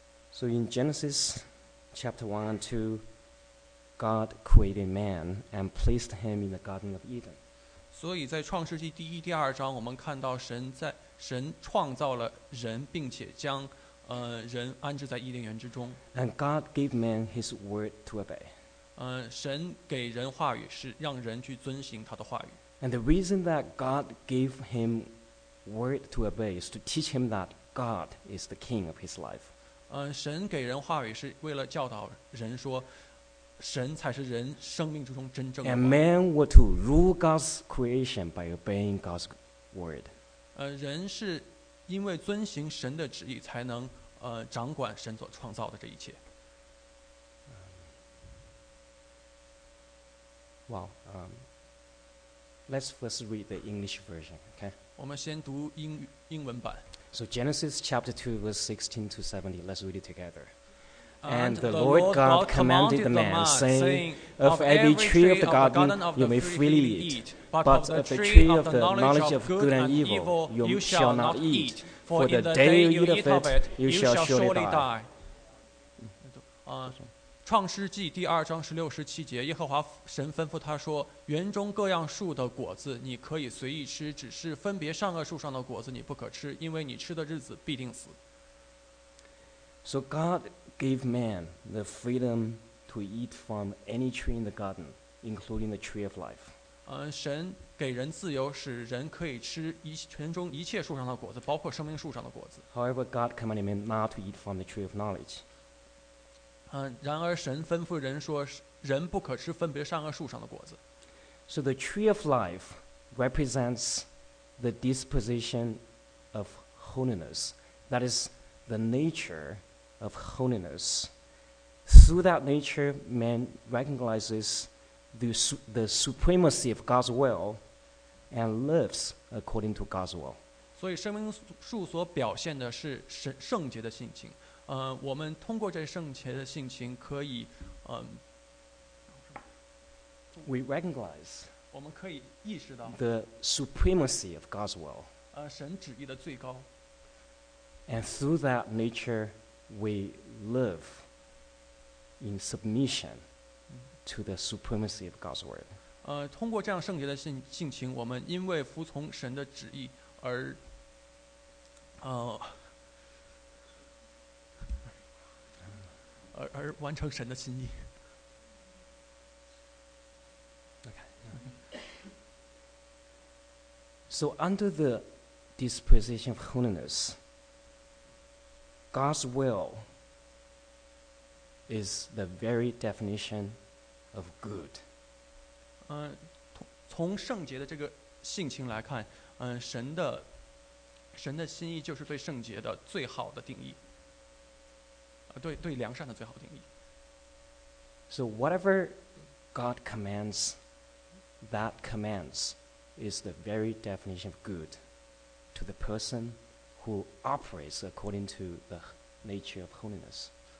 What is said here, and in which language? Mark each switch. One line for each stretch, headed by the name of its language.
English: So in Genesis chapter 1 and 2, God created man and placed him in the Garden of Eden.
Chinese: 所以在创世纪第一、第二章，我们看到神创造了人，并且将人安置在伊甸园之中。
English: And God gave man his word to obey.
Chinese: 神给人话语，是让人去遵行他的话语。
English: And the reason that God gave him word to obey is to teach him that God is the king of his life.
Chinese: 神给人话语是为了教导人说，神才是人生命之中真正的。
English: And man were to rule God's creation by obeying God's word.
Chinese: 人是因为遵行神的旨意才能掌管神所创造的这一切。
English: Let's first read the English version, okay?
Chinese: 我们先读英文版。
English: So Genesis chapter 2 verse 16 to 70, let's read it together. And the Lord God commanded the man, saying, Of every tree of the garden you may freely eat, but of the tree of the knowledge of good and evil you shall not eat, for the day you eat of it you shall surely die.
Chinese: 创世纪第二章十六十七节，耶和华神吩咐他说：“园中各样树的果子你可以随意吃，只是分别善恶树上的果子你不可吃，因为你吃的日子必定死。”
English: So God gave man the freedom to eat from any tree in the garden, including the tree of life.
Chinese: 神给人自由，使人可以吃园中一切树上的果子，包括生命树上的果子。
English: However, God commanded man not to eat from the tree of knowledge.
Chinese: 然而神吩咐人说，人不可吃分别善恶树上的果子。
English: So the tree of life represents the disposition of holiness. That is the nature of holiness. Through that nature, man recognizes the supremacy of God's will and lives according to God's will.
Chinese: 所以生命树所表现的是圣洁的性情。我们通过这圣洁的性情可以
English: we recognize
Chinese: 我们可以意识到,
English: the supremacy of God's will.
Chinese: 神旨意的最高,
English: and through that nature, we live in submission to the supremacy of God's word.
Chinese: 通过这样圣洁的性情, 我们因为服从神的旨意, 而, 而完成神的心意。
English: So under the disposition of holiness, God's will is the very definition of good.
Chinese: 从圣洁的这个性情来看, 神的心意就是对圣洁的最好的定义, 对良善的最好的定义。
English: So whatever God commands, that commands is the very definition of good to the person who operates according to the nature of holiness.